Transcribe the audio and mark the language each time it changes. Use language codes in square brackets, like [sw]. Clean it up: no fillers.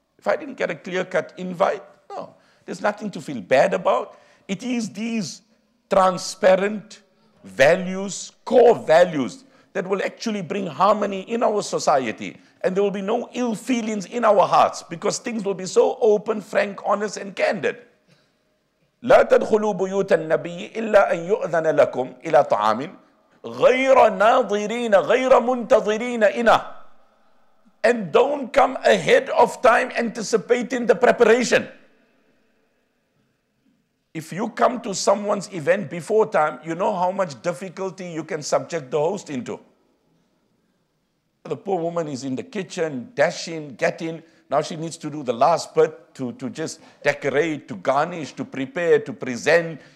[en] If I didn't get a clear-cut invite, no. There's nothing to feel bad about. It is these transparent values, core values, that will actually bring harmony in our society. And there will be no ill feelings in our hearts because things will be so open, frank, honest, and candid. [ar] لا تدخلوا بيوت النبي إلا أن يؤذن لكم إلى طعام غير ناظرين غير منتظرين إنا. [en] And don't come ahead of time anticipating the preparation. If you come to someone's event before time, you know how much difficulty you can subject the host into. The poor woman is in the kitchen, dashing, getting. Now she needs to do the last bit to just decorate, to garnish, to prepare, to present.